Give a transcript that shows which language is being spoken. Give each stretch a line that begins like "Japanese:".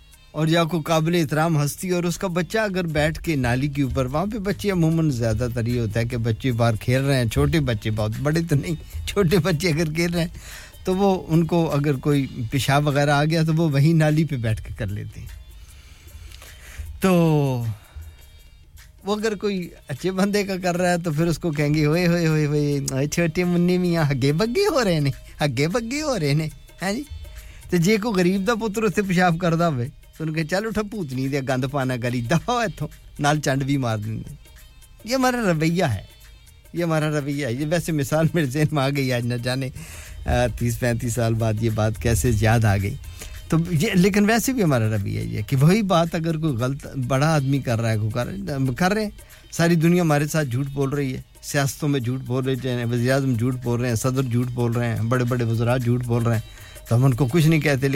Urdu: اور یا کوئی قابل احترام ہستی, اور اس کا بچہ اگر بیٹھ کے نالی کے اوپر, وہاں پہ بچے عموماً زیادہ تر یہ ہوتا ہے کہ بچے باہر کھیل رہے ہیں, چھوٹے بچے, بہت بڑے تو نہیں, چھوٹے بچے اگر کھیل رہے ہیں تو وہ ان کو اگر کوئی پیشاب وغیرہ آ گیا تو وہ وہیں نالی پہ بیٹھ کے کر لیتے ہیں. تو وہ اگر کوئی اچھے بندے کا کر رہا ہے تو پھر اس کو کہیں گے ہوئے ہوئے ہوئے ہوئے چھوٹے منی میاں ہگے بگے ہو رہے ہیں, ہگے بگے ہو رہے ہیں, ہاں جی.
Punjabi: تو جے کوئی غریب دا پتر اسے پیشاب کردا ہوئے تو ان کہ چل اٹھا پوت نہیں دیا گند پانا گلی دفاع اتھوں, نال چنڈ بھی مار دیں.
Urdu: یہ ہمارا رویہ ہے, یہ ہمارا رویہ ہے. یہ ویسے مثال میرے ذہن میں آ گئی, آج نہ جانے 30-35 سال بعد یہ بات کیسے یاد آ گئی. تو یہ لیکن ویسے بھی ہمارا ربی ہے یہ کہ وہی بات اگر کوئی غلط بڑا آدمی کر رہا ہے, کر رہے ہیں, ساری دنیا ہمارے ساتھ جھوٹ بول رہی ہے, سیاستوں میں جھوٹ بول رہے ہیں, وزیر اعظم جھوٹ بول رہے ہیں, صدر جھوٹ بول رہے ہیں, بڑے بڑے وزراء جھوٹ بول رہے ہیں, تو ہم ان کو کچھ نہیں کہتے.